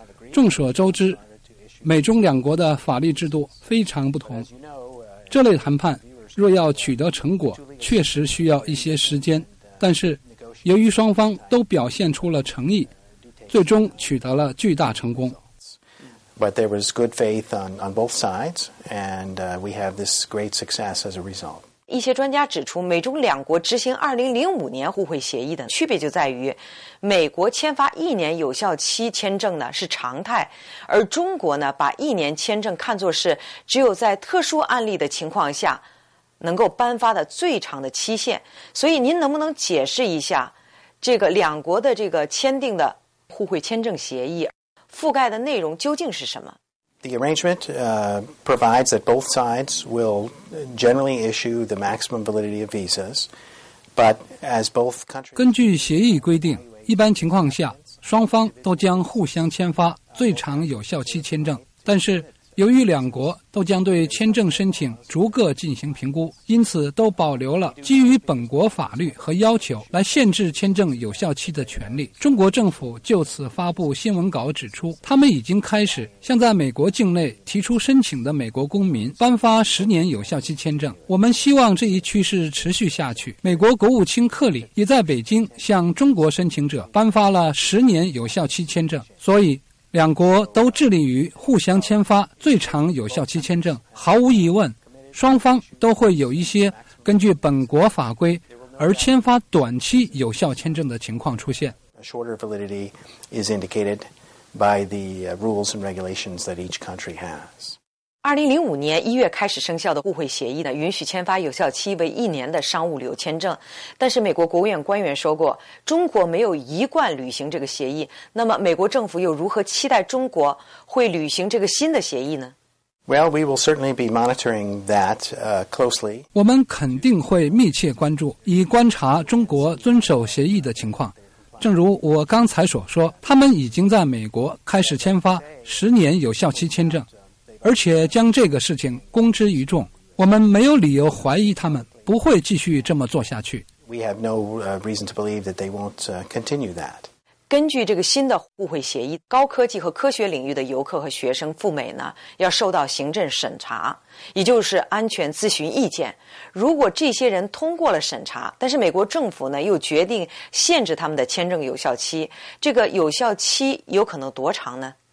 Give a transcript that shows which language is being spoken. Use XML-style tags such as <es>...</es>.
<zh>众所周知，美中两国的法律制度非常不同，这类谈判若要取得成果确实需要一些时间，但是由于双方都表现出了诚意，最终取得了巨大成功。</zh> <en>But there was good faith on both sides, and we have this great success as a result.</en> <zh>一些专家指出，美中两国执行2005年互惠协议的区别就在于，美国签发1年有效期签证呢是常态，而中国呢把1年签证看作是只有在特殊案例的情况下能够颁发的最长的期限。所以，您能不能解释一下这个两国的这个签订的互惠签证协议？覆盖的内容究竟是什么？</zh> <en>The arrangement provides that both sides will generally issue the maximum validity of visas, but as both countries</en> <zh>根据协议规定，一般情况下，双方都将互相签发最长有效期签证。但是，由于两国都将对签证申请逐个进行评估，因此都保留了基于本国法律和要求来限制签证有效期的权利。中国政府就此发布新闻稿指出，他们已经开始向在美国境内提出申请的美国公民颁发10年有效期签证。我们希望这一趋势持续下去。美国国务卿克里也在北京向中国申请者颁发了10年有效期签证，所以两国都致力于互相签发最长有效期签证。毫无疑问，双方都会有一些根据本国法规而签发短期有效签证的情况出现。</zh> <en>Shorter validity is indicated by the rules and regulations that each country has.</en> <zh>2005年1月开始生效的互惠协议呢，允许签发有效期为1年的商务旅游签证。但是美国国务院官员说过，中国没有一贯履行这个协议。那么美国政府又如何期待中国会履行这个新的协议呢？</zh> <en>Well, we will certainly be monitoring that closely.</en> <zh>我们肯定会密切关注，以观察中国遵守协议的情况。正如我刚才所说，他们已经在美国开始签发10年有效期签证，而且将这个事情公之于众，我们没有理由怀疑他们不会继续这么做下去。</zh> <en>We have no reason to believe that they won't continue that.</en> <zh>根据这个新的互惠协议，高科技和科学领域的游客和学生赴美呢，要受到行政审查，也就是安全咨询意见。如果这些人通过了审查，但是美国政府呢，又决定限制他们的签证有效期，这个有效期有可能多长呢？</zh>